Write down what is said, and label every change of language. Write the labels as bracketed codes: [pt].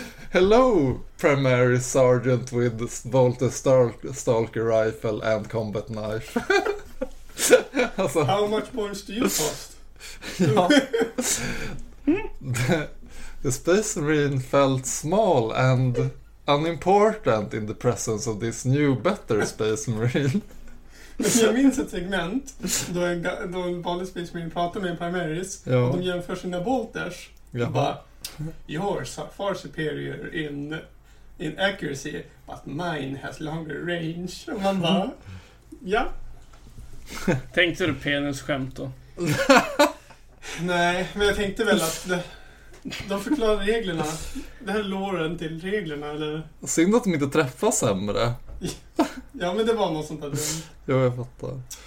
[en] Hello, Primary Sergeant with Bolter Stalker Rifle and Combat Knife. Alltså, how much points do you cost? [sv] Ja. [en] The Space Marine felt small and unimportant in the presence of this new, better Space Marine. [sv] Jag minns ett segment då en vanlig Space Marine pratar med en Primaris, ja, och de jämför sina bolters. Ja. [en] Bara, yours are far superior in accuracy, but mine has longer range. [sv] Och man bara, ja. Tänkte du penis skämt då? Nej, men jag tänkte väl att de förklarar reglerna. Det här låren till reglerna. Eller? Synd att de inte träffas sämre. Ja, men det var något sånt där. Jo, jag fattar.